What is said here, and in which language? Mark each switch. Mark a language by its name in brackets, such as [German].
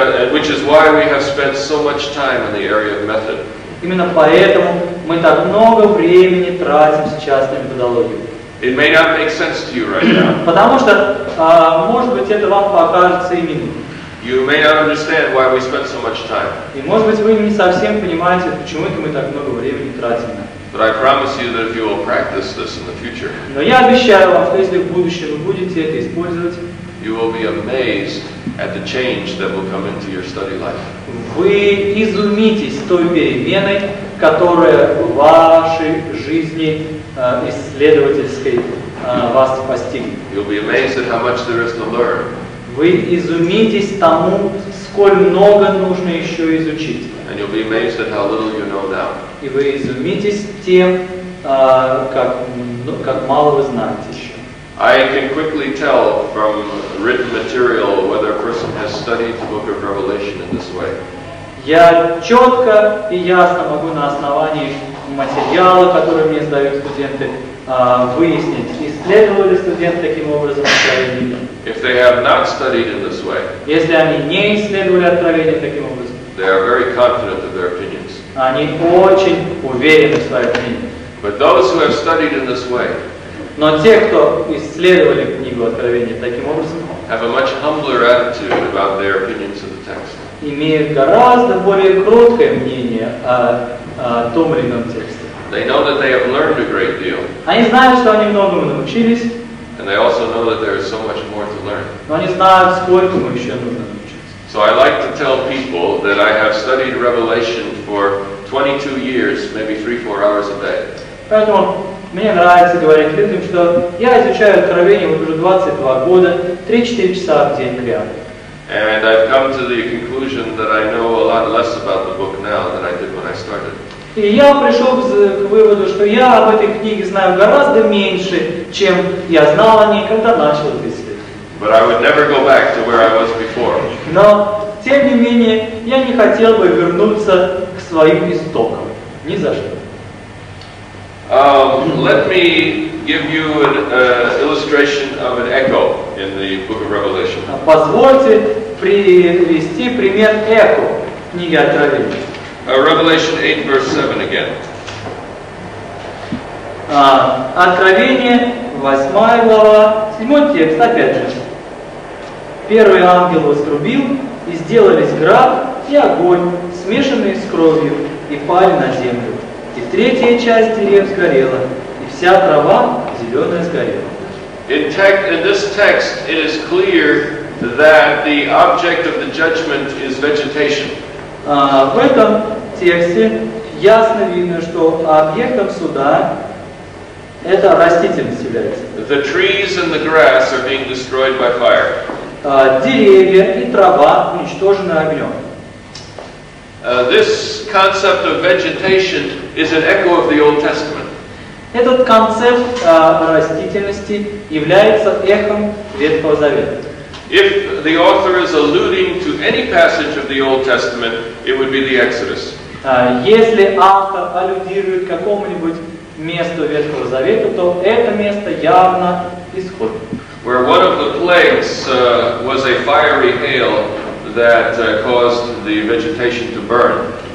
[English] Which is why we have spent so much time in the area of method. [Russian] Именно поэтому мы так много времени тратим сейчас на методологию. [English] It may not make sense to you right now. [Russian] Потому что, может быть, это вам покажется именно. [English] You may not understand why we spent so much time. [Russian] И, может быть, вы не совсем понимаете, почему это мы так много времени тратим на. [English] But I promise you that if you will practice this in the future. [Russian] Но я обещаю вам, что если в будущем вы будете это использовать, [English] you will be amazed at the change that will come into your study life. [Russian] Вы изумитесь той переменой, которая в вашей жизни исследовательской вас постигнет. [English] You'll be amazed at how much there is to learn. [Russian] Вы изумитесь тому, сколь много нужно еще изучить. [English] And you'll be amazed at how little you know now. [Russian] И вы изумитесь тем, как мало вы знаете еще. [English] I can quickly tell from written material whether a person has studied the book of Revelation in this way. [Russian] Я четко и ясно могу на основании материала, который мне сдают студенты, выяснить, исследовали ли студенты таким образом откровение. [English] If they have not studied in this way, [Russian] если они не исследовали откровение таким образом, [English] they are very confident of their opinions. [Russian] Они очень уверены в своем мнении. [English] But those who have studied in this way, [Russian] но те, кто исследовали книгу Откровения таким образом, [English] have a much humbler attitude about their opinions of the text. [Russian] Имеют гораздо более кроткое мнение о том или ином тексте. [English] They know that they have learned a great deal. [Russian] Они знают, что они многому научились. [English] And they also know that there is so much more to learn. [Russian] Но они знают, сколько ему еще нужно научиться. [English] So I like to tell people that I have studied Revelation for 22 years, maybe 3-4 hours a day. [Russian] Поэтому мне нравится говорить людям, что я изучаю Откровение вот уже 22 года, 3-4 часа в день кряду. [English] And I've come to the conclusion that I know a lot less about the book now than I did when I started. [Russian] И я пришел к выводу, что я об этой книге знаю гораздо меньше, чем я знал о ней, когда начал это исследовать. [English] But I would never go back to where I was before. [Russian] Но, тем не менее, я не хотел бы вернуться к своим истокам. Ни за что. [English] Let me give you an illustration of an echo in the book of Revelation. [Russian] Позвольте привести пример эхо книги Откровения. [English] Revelation 8, verse 7 again. [Russian] Откровение, 8 глава, 7 текст, опять же. Первый ангел вострубил, и сделались град и огонь, смешанные с кровью, и пали на землю. И третья часть деревьев сгорела, и вся трава зеленая сгорела. [English] In this text, it is clear that the object of the judgment is vegetation. [Russian] В этом тексте ясно видно, что объектом суда это растительность является. [English] The trees and the grass are being destroyed by fire. [Russian] Деревья и трава уничтожены огнем. [English] This concept of vegetation is an echo of the Old Testament. [Russian] Этот концепт растительности является эхом Ветхого Завета. [English] If the author is alluding to any passage of the Old Testament, it would be the Exodus. [Russian] Если автор аллюдирует к какому-нибудь месту Ветхого Завета, то это место явно исход. [English] Where one of the plagues was a fiery hail that caused the vegetation to burn.